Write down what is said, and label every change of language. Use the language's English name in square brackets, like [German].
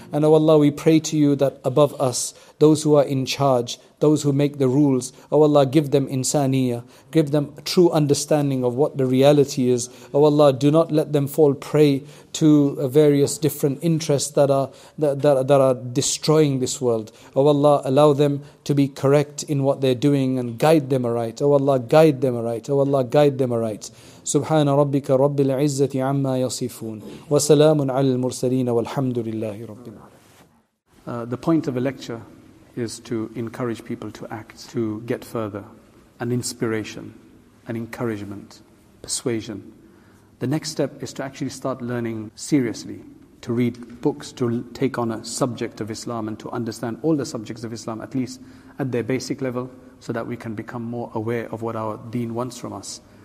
[English] And oh Allah, we pray to you that above us, those who are in charge, those who make the rules, oh Allah, give them insaniya, give them true understanding of what the reality is. Oh Allah, do not let them fall prey to various different interests that are destroying this world. Oh Allah, allow them to be correct in what they're doing and guide them aright. Oh Allah, guide them aright. Oh Allah, guide them aright. [Arabic] سبحان ربك رب العزة عما يصفون وسلام على المرسلين والحمد لله رب العالمين. [English] The point of a lecture is to encourage people to act, to get further, an inspiration, an encouragement, persuasion. The next step is to actually start learning seriously, to read books, to take on a subject of Islam and to understand all the subjects of Islam, at least at their basic level, so that we can become more aware of what our deen wants from us.